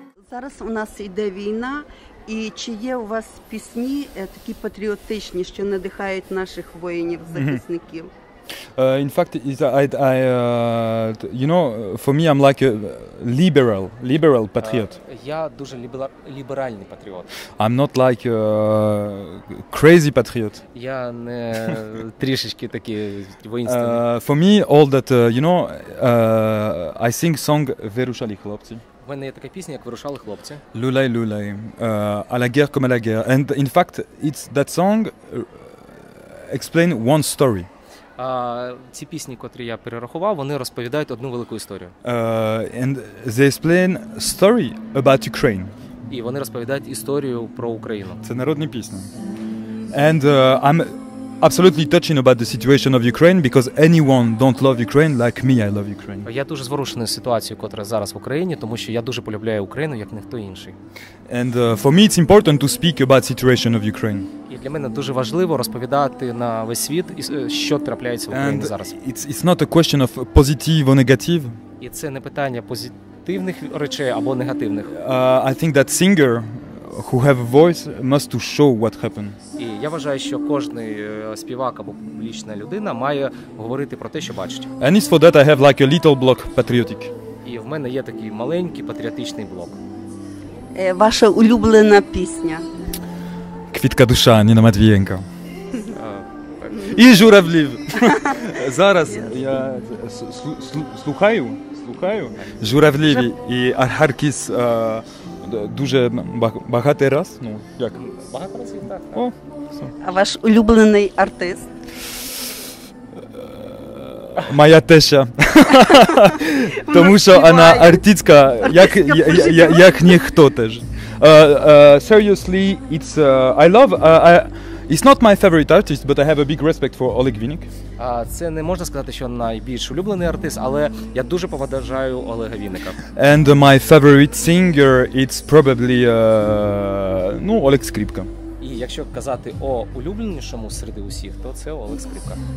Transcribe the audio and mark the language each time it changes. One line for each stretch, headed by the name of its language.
Ukrainian: Зараз у нас йде війна, і чи є у вас пісні такі патріотичні, що надихають наших воїнів, захисників?
English: In fact, I you know, for me I'm like a liberal patriot.
Ukrainian: Я дуже ліберальний патріот.
English: I'm not like a crazy patriot.
Ukrainian: Я не трішечки такий воїнський.
English: For me all that, you know, I sing song Вирушали хлопці.
Ukrainian: У мене є така пісня, як «Вирушали хлопці». «Люлей, люлей», «А ла гер ком а ла гер».
English: And in fact, it's that song explain one story.
Ukrainian: Ці пісні, котрі я перерахував, вони розповідають одну велику історію.
English: And they explain story about Ukraine.
Ukrainian: І вони розповідають історію про Україну. Це народні пісні.
English: And I'm absolutely touching about the situation of Ukraine, because anyone don't love Ukraine like me, I love Ukraine.
Ukrainian: Я дуже зворушений ситуацією, котра зараз в Україні, тому що я дуже полюбляю Україну, як ніхто інший.
English: And for me it's important to speak about situation of Ukraine.
Ukrainian: І для мене дуже важливо розповідати на весь світ, що трапляється в Україні зараз.
English: And it's not a question of positive or negative.
Ukrainian: І це не питання позитивних речей або негативних.
English: I think that singer who have a voice must to show what happened.
Ukrainian: І я вважаю, що кожен співак або публічна людина має говорити про те, що бачить.
English: And for that I have like a little block patriotic.
Ukrainian: І в мене є такий маленький патріотичний блок. Ваша улюблена пісня? Квітка душа Ніна Матвієнко. І журавлів. Зараз я слухаю журавлів і архаркіс дуже багатий раз, ну, як? Багато разів, так. О, а ваш улюблений артист? Моя теща. Тому що вона артистка, як ніхто теж.
English: Seriously, it's I love it's not my favorite artist, but I have a big respect for Oleg Vinik.
Ukrainian: Це не можна сказати, що найбільш улюблений артист, але я дуже поважаю Олега Вінника.
English: And my favorite singer it's probably Олег Скрипка.
Ukrainian: І якщо казати о улюбленішому серед усіх, то це Олег Скрипка.